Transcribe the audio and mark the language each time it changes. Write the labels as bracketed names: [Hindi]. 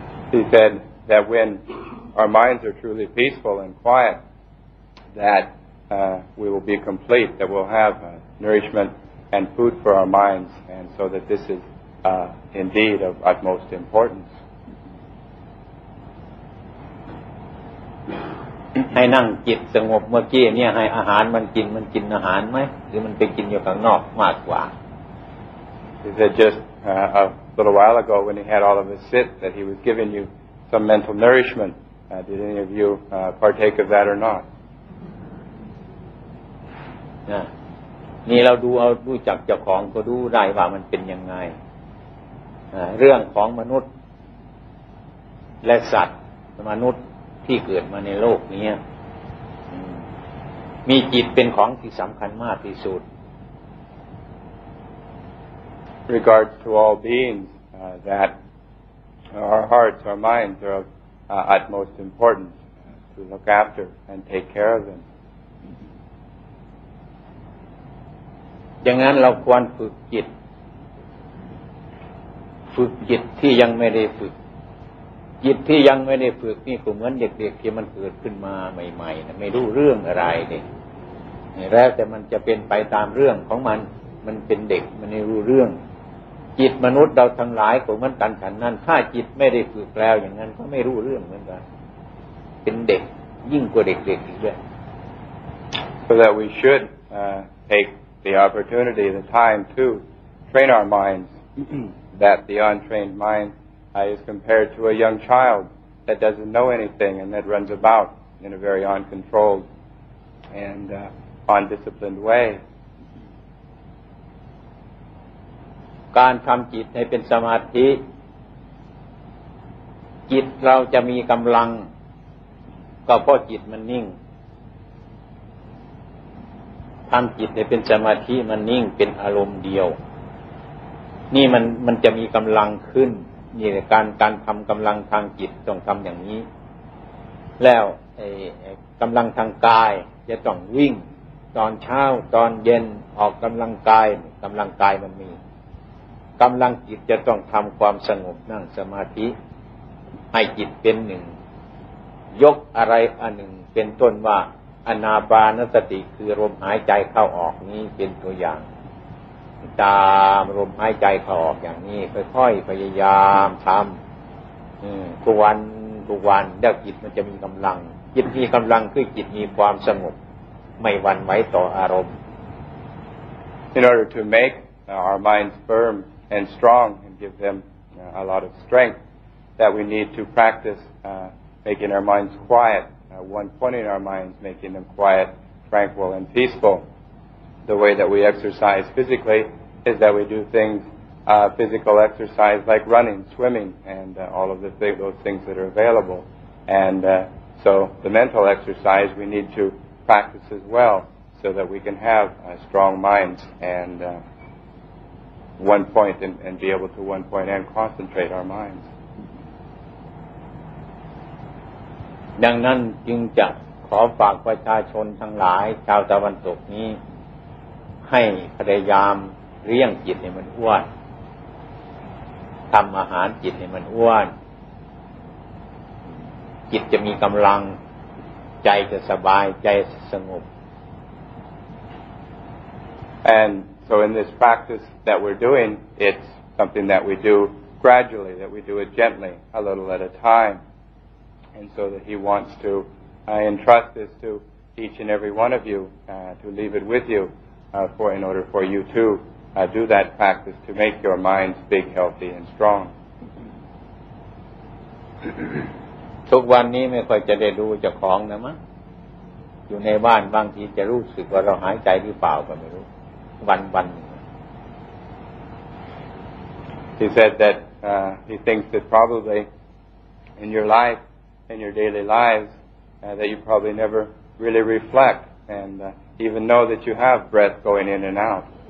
[English] He said that when our minds are truly peaceful and quiet that we will be complete that we'll have nourishment and food for our minds and so that this is indeed of utmost importance [Thai] ให้นั่งจิตสงบเมื่อกี้เนี่ยให้อาหารมันกินมันกินอาหารไหมหรือมันไปกินอยู่ข้างนอกมากกว่า [English] He said just a little while ago when he had all of us sit that he was giving you some mental nourishment. Did any of you partake of that or not? [Thai] นี่เราดูเอารู้จักเจ้าของก็ดูได้ว่ามันเป็นยังไงเรื่องของมนุษย์และสัตว์มนุษย์ที่เกิดมาในโลกนี้มีจิตเป็นของที่สำคัญมากที่สุด [English] regards to all beings that our hearts our minds are of utmost importance to look after and take care of them [Thai] ดังนั้นเราควรฝึกจิตฝึกจิตที่ยังไม่ได้ฝึกจิตที่ยังไม่ได้ฝึกนี่ก็เหมือนเด็กๆที่มันเกิดขึ้นมาใหม่ๆนะไม่รู้เรื่องอะไรเนี่ย แล้วแต่มันจะเป็นไปตามเรื่องของมันมันเป็นเด็กมันไม่รู้เรื่องจิตมนุษย์เราทั้งหลายของมันกันฉันนั้นถ้าจิตไม่ได้ฝึกแล้วอย่างนั้นก็ไม่รู้เรื่องเหมือนกันเป็นเด็กยิ่งกว่าเด็กๆอีกด้วย [English] So that we should take the opportunity, the time to train our minds that the untrained mind is compared to a young child that doesn't know anything and that runs about in a very uncontrolled and undisciplined way. [Thai] การทำจิตให้เป็นสมาธิจิตเราจะมีกำลังก็เพราะจิตมันนิ่งทำจิตให้เป็นสมาธิมันนิ่งเป็นอารมณ์เดียวนี่มันจะมีกำลังขึ้นนี่แหละการทำกำลังทางจิตต้องทำอย่างนี้ แล้วกำลังทางกายจะต้องวิ่งตอนเช้าตอนเย็นออกกำลังกายกำลังกายมันมีกำลังจิตจะต้องทำความสงบนั่งสมาธิให้จิตเป็นหนึ่งยกอะไรอันหนึ่งเป็นต้นว่าอานาปานสติคือลมหายใจเข้าออกนี้เป็นตัวอย่าง ตามลมหายใจเข้าออกอย่างนี้ค่อยๆพยายามทำทุกวันแล้วจิตมันจะมีกำลังจิตมีกำลังคือจิตมีความสงบไม่หวั่นไหวต่ออารมณ์ [English] In order to make our minds firm and strong and give them a lot of strength that we need to practice making our minds quietone point in our minds, making them quiet, tranquil, and peaceful. The way that we exercise physically is that we do things, physical exercise like running, swimming, and all of those things that are available. And so the mental exercise we need to practice as well so that we can have strong minds and one point and be able to one point and concentrate our minds. [Thai] ดังนั้นจึงจะขอฝากประชาชนทั้งหลายชาวตะวันตกนี้ให้พยายามเลี้ยงจิตให้มันอ้วนทำอาหารจิตให้มันอ้วนจิตจะมีกำลังใจจะสบายใจสงบ [English] And so in this practice that we're doing it's something that we do gradually that we do it gently a little at a timeAnd so that he wants to entrust this to each and every one of you, to leave it with you in order for you to do that practice to make your minds big, healthy, and strong. [Thai] ทุกวันนี้ไม่ค่อยจะได้ดูเจ้าของนะมั้งอยู่ในบ้านบางทีจะรู้สึกว่าเราหายใจหรือเปล่าก็ไม่รู้วัน [English] He said that he thinks that probably in your lifeIn your daily lives, that you probably never really reflect and even know that you have breath going in and out.